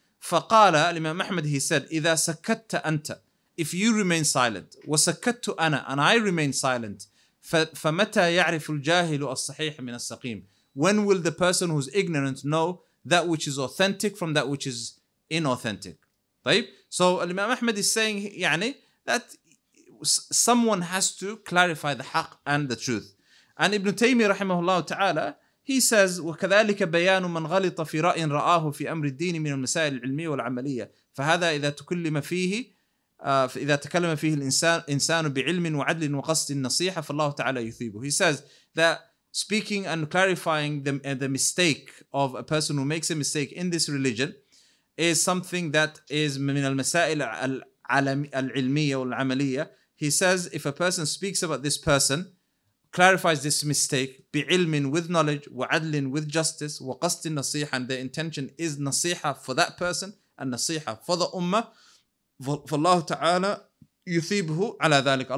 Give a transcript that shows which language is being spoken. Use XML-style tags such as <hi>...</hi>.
<ar>فقال الإمام أحمد,</ar> <en>he said,</en> <ar>إذا سكت أنت,</ar> <en>if you remain silent,</en> <ar>وسكت أنا,</ar> <en>and I remain silent,</en> <ar>فمتى يعرف الجاهل الصحيح من السقيم,</ar> <en>when will the person who's ignorant know that which is authentic from that which is inauthentic? طيب, so الإمام أحمد is saying, يعني, that someone has to clarify the حق and the truth. And Ibn Taymiyyah رحمه الله تعالى, He says</en> <ar>وكذلك بيان من غلط في رأي رآه في أمر الدين من المسائل العلمية والعملية. فهذا إذا تكلم فيه إذا تكلم فيه الإنسان بعلم وعدل وقصد النصيحة فالله تعالى يثيبه.</ar> <en>He says that speaking and clarifying the mistake of a person who makes a mistake in this religion is something that is</en> <ar>من المسائل العلمية والعملية.</ar> <en>He says if a person speaks about this person, clarifies this mistake بعلم with knowledge وعدل with justice</en> <ar>وقصد النصيحة</ar> <en>and the intention is نصيحة for that person and نصيحة for the ummah,</en> <ar>فالله تعالى يثيبه على ذلك.</ar>